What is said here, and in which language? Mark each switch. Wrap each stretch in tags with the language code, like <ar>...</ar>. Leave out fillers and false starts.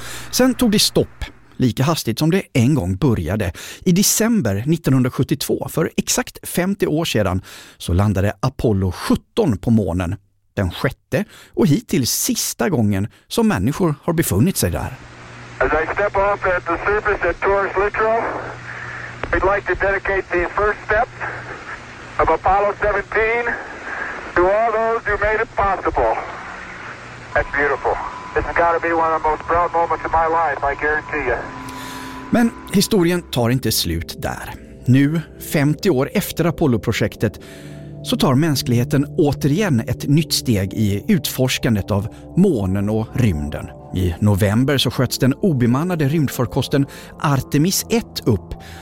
<sv>Sen tog det stopp, lika hastigt som det en gång började. I december 1972, för exakt 50 år sedan, så landade Apollo 17 på månen. Den sjätte och hittills sista gången som människor har befunnit sig där.</sv> <en>As I step off at the surface at Torres Litoral, I'd like to dedicate the first step of Apollo 17 to all those who made it possible. That's beautiful. This has got to be one of the most proud moments of my life, I guarantee you.</en> <sv>Men historien tar inte slut där. Nu, 50 år efter Apollo-projektet, så tar mänskligheten återigen ett nytt steg i utforskandet av månen och rymden. I november så sköts den obemannade rymdfarkosten Artemis 1 upp.</sv>